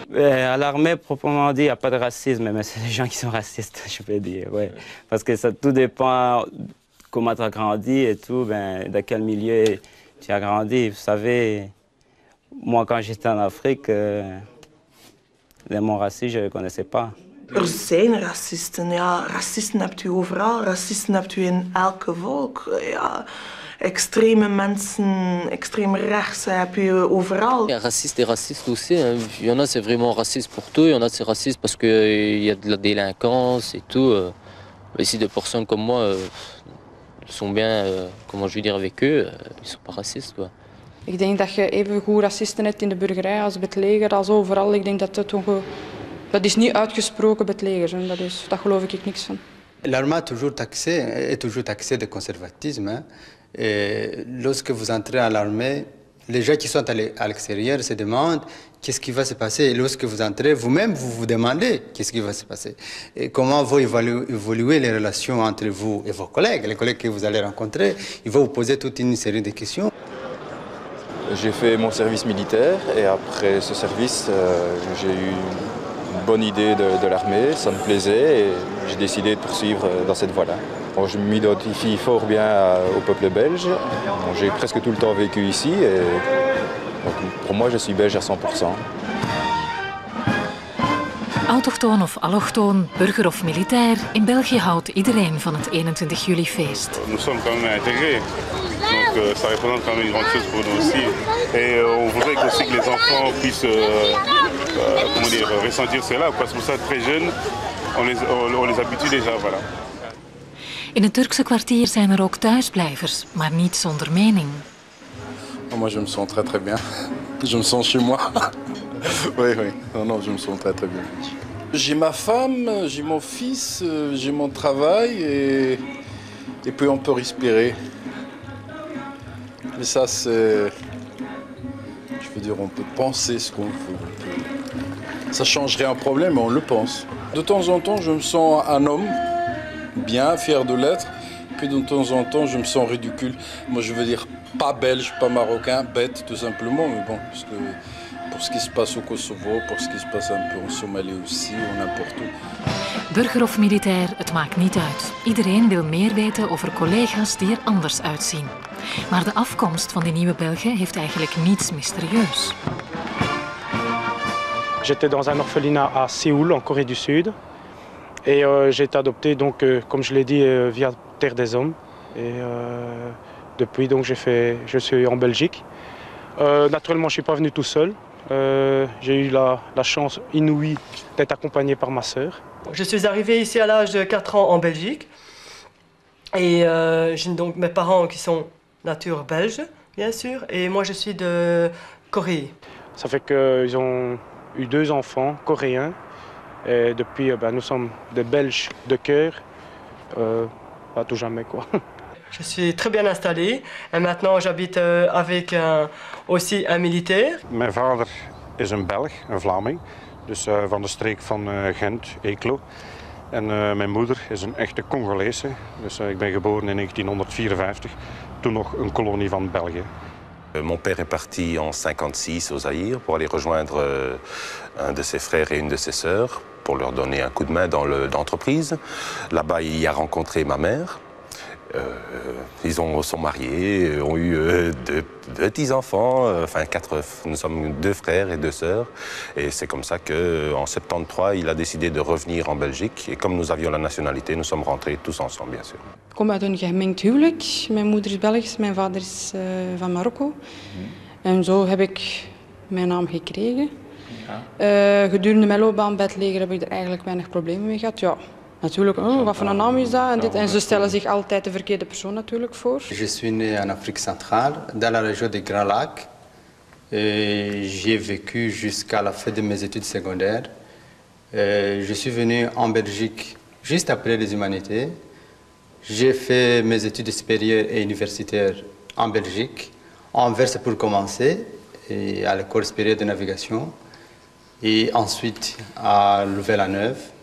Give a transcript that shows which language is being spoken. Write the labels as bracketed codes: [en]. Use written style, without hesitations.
[fr] Mais à l'armée, proprement dit, il n'y a pas de racisme, mais c'est les gens qui sont racistes, je peux dire. Ouais. Parce que ça tout dépend comment tu as grandi et tout, ben, dans quel milieu tu as grandi. Vous savez, moi, quand j'étais en Afrique, les mots racistes, je ne les connaissais pas. [nl] Er zijn racisten, ja. Racisten hebt u overal. Racisten hebt u in elke volk. Ja, extreme mensen, extreem rechts heb je overal. [fr] Ja, racist et raciste aussi. Hein. Il y en a, c'est vraiment raciste pour tout. Il y en a, c'est raciste parce qu'il y a de la délinquance et tout. Mais si des personnes comme moi sont bien, comment je veux dire, avec eux, ils sont pas racistes, quoi. [nl] Ik denk dat je even goed racisten hebt in de burgerij als bij het leger, als overal. Ik denk dat het toch wel... Dat is niet uitgesproken bij het leger, dat is, daar geloof ik niks van. [fr] L'armée est toujours taxée, est toujours taxée de conservatisme. Hein. Lorsque vous entrez à l'armée, les gens qui sont à l'extérieur se demandent qu'est-ce qui va se passer. Et lorsque vous entrez, vous-même, vous vous demandez qu'est-ce qui va se passer. Et comment vont évoluer les relations entre vous et vos collègues. Les collègues que vous allez rencontrer, ils vont vous poser toute une série de questions. J'ai fait mon service militaire et après ce service, j'ai eu... bonne idée de l'armée, ça me plaisait et j'ai décidé de poursuivre dans cette voie-là. Bon, je m'identifie fort bien au peuple belge, bon, j'ai presque tout le temps vécu ici et donc, pour moi je suis belge à 100%. [nl] Autochtoon of allochtoon, burger of militair, in België houdt iedereen van het 21 juli feest. [fr] Nous sommes quand même intégrés, donc ça représente quand même une grande chose pour nous aussi. Et on voudrait aussi que les enfants puissent comment dire, ressentir cela, parce que pour ça, très jeunes, on les habitue déjà, voilà. [nl] In het Turkse kwartier zijn er ook thuisblijvers, maar niet zonder mening. [fr] Oh, moi, je me sens très très bien. Je me sens chez moi. Oui, oui. Non, non, je me sens très très bien. J'ai ma femme, j'ai mon fils, j'ai mon travail et puis on peut respirer. Mais ça, c'est... Je veux dire, on peut penser ce qu'on veut. Ça changerait un problème, mais on le pense. De temps en temps, je me sens un homme, bien, fier de l'être. Puis de temps en temps, je me sens ridicule. Moi, je veux dire, pas belge, pas marocain, bête, tout simplement. Mais bon, parce que... Pour ce qui se passe au Kosovo, pour ce qui se passe un peu en Somalie aussi, ou n'importe où. [nl] Burger of militair, het maakt niet uit. Iedereen wil meer weten over collega's die er anders uitzien. Maar de afkomst van die nieuwe Belgen heeft eigenlijk niets mysterieus. [fr] J'étais dans un orphelinat à Séoul, en Corée du Sud. Et j'ai été adopté, donc, comme je l'ai dit, via Terre des Hommes. Et depuis, donc, je suis en Belgique. Naturellement, je ne suis pas venu tout seul. J'ai eu la chance inouïe d'être accompagné par ma sœur. Je suis arrivé ici à l'âge de 4 ans en Belgique. Et j'ai donc mes parents qui sont nature belge, bien sûr. Et moi, je suis de Corée. Ça fait qu'ils ont eu deux enfants coréens. Et depuis, ben, nous sommes des Belges de cœur. Pas tout jamais, quoi. Je suis très bien installé. Et maintenant, j'habite avec aussi un militaire. Mon père est un Belge, un Vlaming. [nl] Dus van de streek van Gent, Eeklo. En mijn moeder is een echte Congolese. Dus ik ben geboren in 1954, toen nog een kolonie van België. [fr] Mon père est parti en 1956 au Zaïre pour aller rejoindre un de ses frères et une de ses sœurs pour leur donner un coup de main dans l'entreprise. Là-bas, il y a rencontré ma mère. Ils sont mariés, ont eu deux petits-enfants, enfin quatre, nous sommes deux frères et deux sœurs. Et c'est comme ça qu'en 1973, il a décidé de revenir en Belgique. Et comme nous avions la nationalité, nous sommes rentrés tous ensemble, bien sûr. [nl] Ik kom uit een gemengd huwelijk. Mijn moeder is Belgisch, mijn vader is van Marokko. En zo heb ik mijn naam gekregen. Ja. Gedurende mijn loopbaan bij het leger heb ik er eigenlijk weinig problemen mee gehad. Ja, natuurlijk. Oh, wat voor een naam is dat? En, dit. En ze stellen zich altijd de verkeerde persoon natuurlijk voor. [fr] Je suis né en Afrique centrale, dans la région des Grands Lacs. J'ai vécu jusqu'à la fin de mes études secondaires. Je suis venu en Belgique juste après les humanités. J'ai fait mes études supérieures et universitaires en Belgique, en Anvers pour commencer, et à l'école supérieure de navigation, et ensuite à Louvain-la-Neuve.